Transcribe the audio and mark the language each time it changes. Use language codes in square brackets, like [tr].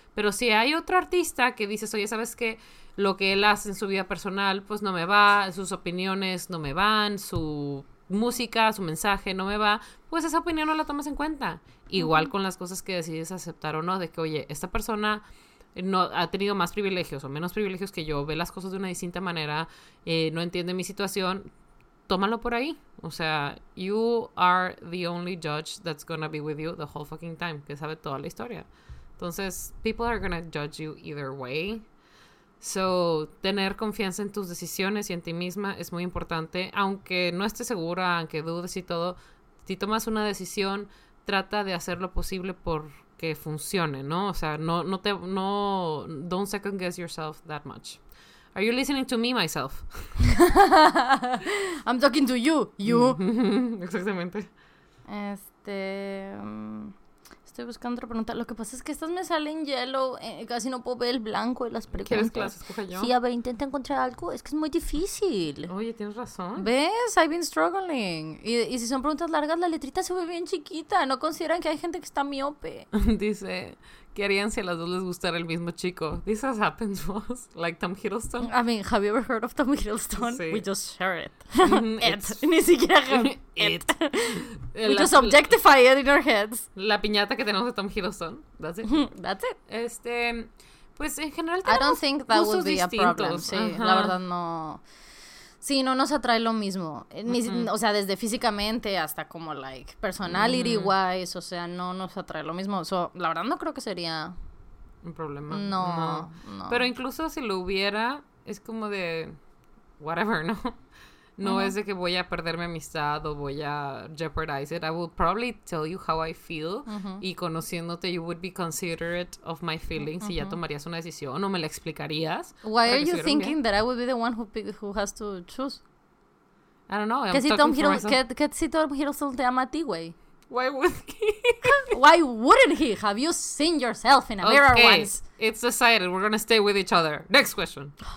[es] Pero si hay otro artista que dices, oye, ¿sabes qué? Lo que él hace en su vida personal, pues no me va, sus opiniones no me van, su música, su mensaje no me va, pues esa opinión no la tomas en cuenta. Igual con las cosas que decides aceptar o no, de que, oye, esta persona no ha tenido más privilegios o menos privilegios que yo, ve las cosas de una distinta manera, no entiende mi situación, tómalo por ahí. O sea, [en] you are the only judge that's gonna be with you the whole fucking time, [es] que sabe toda la historia. Entonces, [en] people are gonna judge you either way. [es] So, tener confianza en tus decisiones y en ti misma es muy importante. Aunque no estés segura, aunque dudes y todo, si tomas una decisión, trata de hacer lo posible por que funcione, ¿no? O sea, [en] no don't second guess yourself that much. Are you listening to me, myself? I'm talking to you, you. [es] Exactamente. Estoy buscando otra pregunta. Lo que pasa es que estas me salen yellow. Casi no puedo ver el blanco de las preguntas. ¿Quieres que las escoja yo? Sí, a ver, intenta encontrar algo. Es que es muy difícil. Oye, tienes razón. ¿Ves? [en] I've been struggling. [es] Y si son preguntas largas, la letrita se ve bien chiquita. ¿No consideran que hay gente que está miope? Dice, ¿qué harían si a las dos les gustara el mismo chico? [en] This has happened to us. Like Tom Hiddleston. I mean, have you ever heard of Tom Hiddleston? Sí. We just share it. [es] Ni siquiera [en] it. We just objectify it in our heads. [es] La piñata que tenemos de Tom Hiddleston. [en] That's it. That's it. [es] Pues en general tenemos gustos distintos. [en] I don't think that would be [es] distintos. [en] A problem. [es] Sí, la verdad no. Sí, no nos atrae lo mismo. O sea, desde físicamente hasta como, like, [en] personality wise. [es] O sea, no nos atrae lo mismo. So, la verdad no creo que sería un problema. No. Pero incluso si lo hubiera, es como de whatever, ¿no? No es de que voy a [en] perder mi amistad o voy a jeopardize it. I will probably tell you how I feel. [es] Y conociéndote, [en] you would be considerate of my feelings. [es] Y ya tomarías una decisión o me la explicarías. [en] Why are you thinking [es] bien? [en] That I would be the one who has to choose? I don't know. [es] Que si Tom Hiddleston te ama a ti, güey. [en] Why would he? Why wouldn't he? Have you seen yourself in a mirror once? It's decided. We're going to stay with each other. Next question.